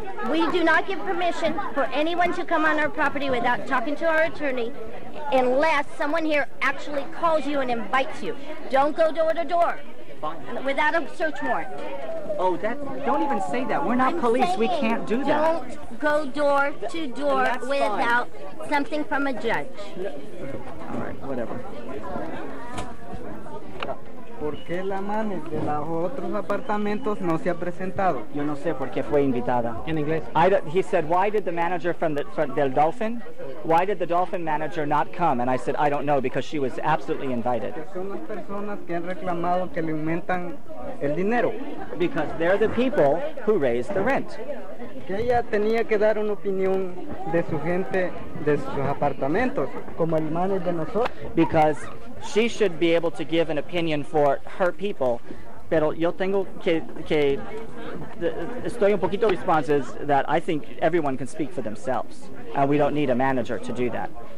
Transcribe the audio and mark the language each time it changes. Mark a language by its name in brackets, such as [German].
[English] We do not give permission for anyone to come on our property without talking to our attorney unless someone here actually calls you and invites you. Don't go door to door without a search warrant. Oh, don't even say that. We're not police. We can't do that. Don't go door to door without something from a judge. All right, whatever. [Spanish] ¿Por qué la mami de los otros apartamentos no se ha presentado? Yo no sé por qué fue invitada. En inglés. [English] He said, why did the manager from Dolphin? Why did the Dolphin manager not come? And I said, I don't know, because she was absolutely invited. [Spanish] Porque son las personas que han reclamado que le aumentan el dinero. [English] Because they're the people who raise the rent. [Spanish] Que ella tenía que dar una opinión de su gente, de sus apartamentos, como el manager de nosotros. [English] Because she should be able to give an opinion for her people, [Spanish] pero yo tengo estoy un poquito [English] responses that I think everyone can speak for themselves, and we don't need a manager to do that.